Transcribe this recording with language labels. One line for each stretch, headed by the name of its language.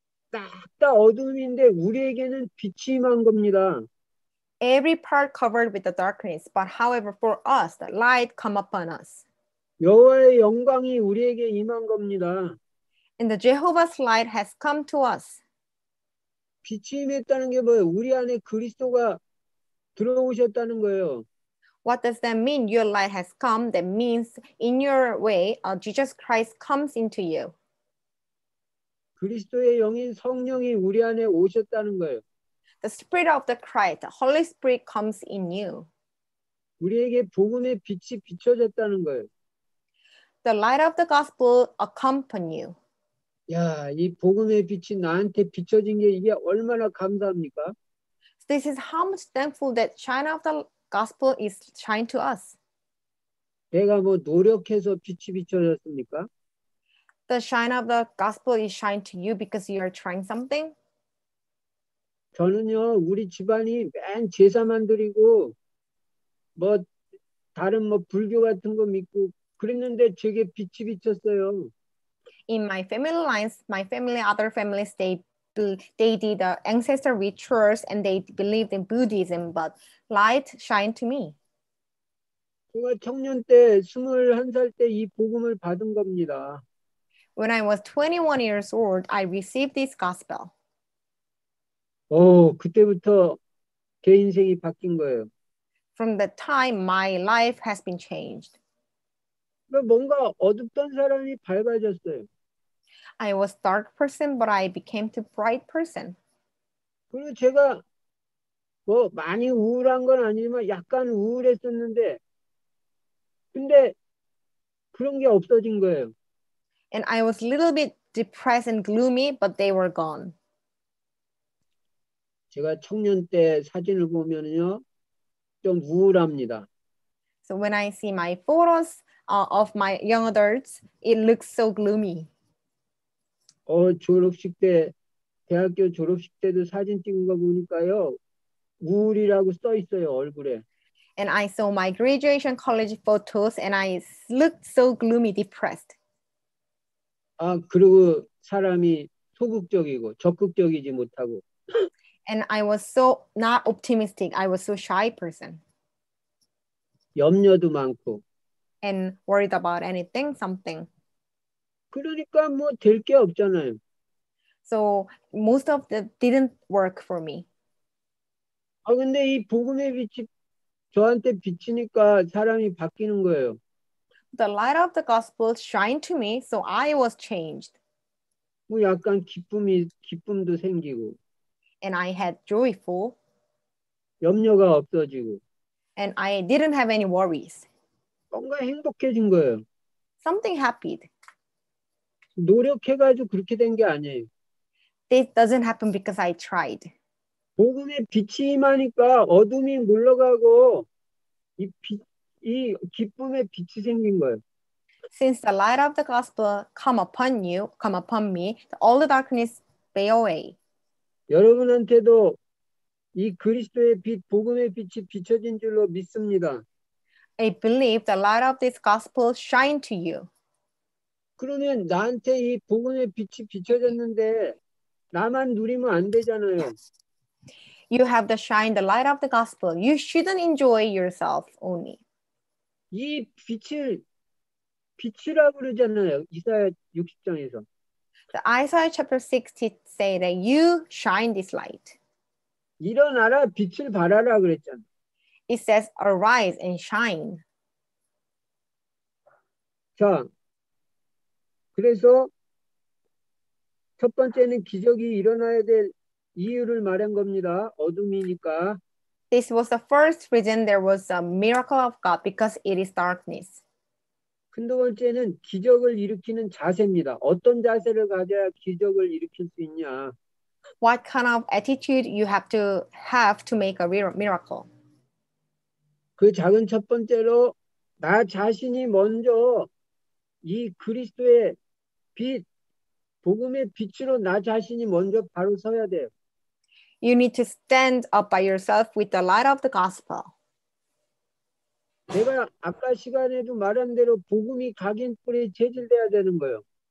Korean: 딱다 어둠인데 우리에게는 빛이 임한 겁니다.
English: Every part covered with the darkness, but however, for us, the light come upon us.
Korean: 여호와의 영광이 우리에게 임한 겁니다.
English: And the Jehovah's light has come to us.
Korean: 빛이 임했다는 게 뭐예요? 우리 안에 그리스도가 들어오셨다는 거예요.
English: What does that mean? Your light has come. That means in your way, Jesus Christ comes into you.
Korean: 그리스도의 영인 성령이 우리 안에 오셨다는 거예요.
English: The Spirit of the Christ, the Holy Spirit comes in you.
Korean: 우리에게 복음의 빛이 비춰졌다는 거예요.
English: The light of the gospel accompany you.
Korean: 야, 이 복음의 빛이 나한테 비춰진 게 이게 얼마나 감사합니까?
English: This is how much thankful that shine of the gospel is shine to us.
Korean: 내가 뭐 노력해서 빛이 비춰졌습니까?
English: The shine of the gospel is shine to you because you are trying something.
Korean: 저는요, 우리 집안이 맨 제사만 드리고 뭐 다른 뭐 불교 같은 거 믿고 그랬는데 제게 빛이 비쳤어요.
English: In my family lines, my family, other families, they did the ancestor rituals and they believed in Buddhism, but light shined to me.
Korean: 제가 청년 때, 21살 때이 복음을 받은 겁니다.
English: When I was 21 years old, I received this gospel.
Korean: 오, 그때부터 제 인생이 바뀐 거예요.
English: From the time, my life has been changed.
Korean: 뭔가 어둡던 사람이 밝아졌어요.
English: I was dark person, but I became the bright person.
Korean: 그리고 제가 뭐 많이 우울한 건 아니지만 약간 우울했었는데 근데 그런 게 없어진 거예요.
English: And I was a little bit depressed and gloomy, but they were gone.
Korean: 제가 청년 때 사진을 보면요, 좀 우울합니다.
English: So when I see my photos of my young adults, it looks so gloomy.
Korean: 졸업식 때, 대학교 졸업식 때도 사진 찍은 거 보니까요, 우울이라고 써 있어요, 얼굴에.
English: And I saw my graduation college photos and I looked so gloomy, depressed.
Korean: 아, 그리고 사람이 소극적이고 적극적이지 못하고.
English: And I was so not optimistic. I was so shy person.
Korean: 염려도 많고.
English: And worried about anything, something.
Korean: 그러니까 뭐될게 없잖아요.
English: So most of that didn't work for me.
Korean: 아, 근데 이 복음의 빛이 저한테 비치니까 사람이 바뀌는 거예요.
English: The light of the gospel shined to me, so I was changed.
Korean: 뭐 약간 기쁨도 생기고.
English: And I had joyful.
Korean: 염려가 없어지고.
English: And I didn't have any worries.
Korean: 뭔가 행복해진 거예요.
English: Something happened.
Korean: 노력해가지고 그렇게 된게 아니에요.
English: This doesn't happen because I tried.
Korean: 복음의 빛이 임하니까 어둠이 물러가고 이 기쁨의 빛이 생긴 거예요.
English: Since the light of the gospel come upon you, come upon me, all the darkness fade away.
Korean: 여러분한테도 이 그리스도의 빛, 복음의 빛이 비춰진 줄로 믿습니다.
English: I believe the light of this gospel shine to you.
Korean: 그러면 나한테 이 복음의 빛이 비춰졌는데 나만 누리면 안 되잖아요.
English: You have the shine, the light of the gospel. You shouldn't enjoy yourself only.
Korean: 이 빛을 빛이라고 그러잖아요. 이사야 60장에서.
English: The Isaiah chapter 60 say that you shine this light.
Korean: 일어나라, 빛을 발하라 그랬잖아.
English: It says arise and shine.
Korean: 자, 그래서 첫 번째는 기적이 일어나야 될 이유를 말한 겁니다. 어둠이니까.
English: This was the first reason there was a miracle of God because it is darkness.
Korean: 큰 두 번째는 기적을 일으키는 자세입니다. 어떤 자세를 가져야 기적을 일으킬 수 있냐.
English: What kind of attitude you have to make a miracle?
Korean: 그 작은 첫 번째로 나 자신이 먼저 이 그리스도의 빛, 복음의 빛으로 나 자신이 먼저 바로 서야 돼요.
English: You need to stand up by yourself with the light of the gospel.
Korean: 내가 아까 시간에도 말한 대로 복음이 각인 뿌리에 체질돼야 되는 거예요.